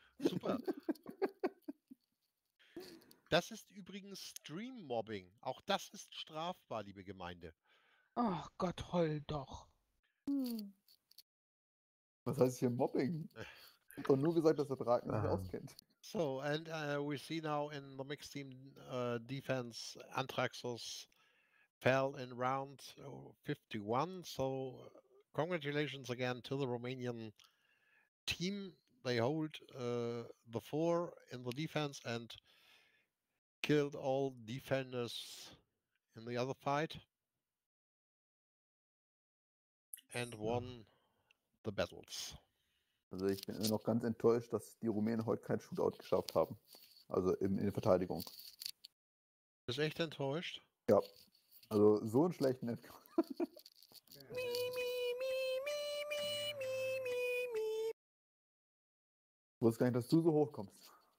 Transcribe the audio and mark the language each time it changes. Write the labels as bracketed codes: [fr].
[de] Super. Das ist übrigens Stream-Mobbing. Auch das ist strafbar, liebe Gemeinde. Ach Gott, heul doch. Was heißt hier Mobbing? Ich habe nur gesagt, dass der Draken sich auskennt. [en] So, and we see now in the mixed team defense, Anthraxos fell in round 51. So, congratulations again to the Romanian team. They hold the four in the defense and killed all defenders in the other fight and won the battles. [de] Also ich bin immer noch ganz enttäuscht, dass die Rumänen heute kein Shootout geschafft haben. Also in der Verteidigung. Du bist echt enttäuscht? Ja. Also so einen schlechten Ich wusste gar nicht, dass du so hoch kommst.